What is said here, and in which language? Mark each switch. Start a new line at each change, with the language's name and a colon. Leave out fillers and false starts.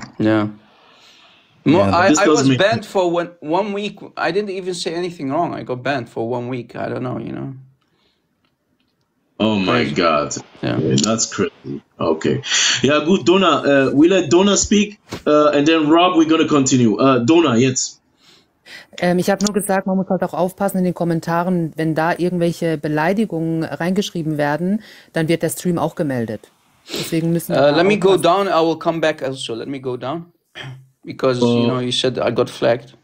English: Yeah. I was banned for one week. I didn't even say anything wrong. I got banned for 1 week. I don't know, you know. Oh my God. Yeah. That's crazy. Okay. Yeah, good. Dona, we let Dona speak and then Rob, we're going to continue.
German: Dona, jetzt. Ich habe nur gesagt, man muss halt auch aufpassen in den Kommentaren, wenn da irgendwelche Beleidigungen reingeschrieben werden, dann wird der Stream auch gemeldet. Deswegen müssen wir
English: Let me go down. I will come back also. Let me go down. Because you know, you said I got flagged.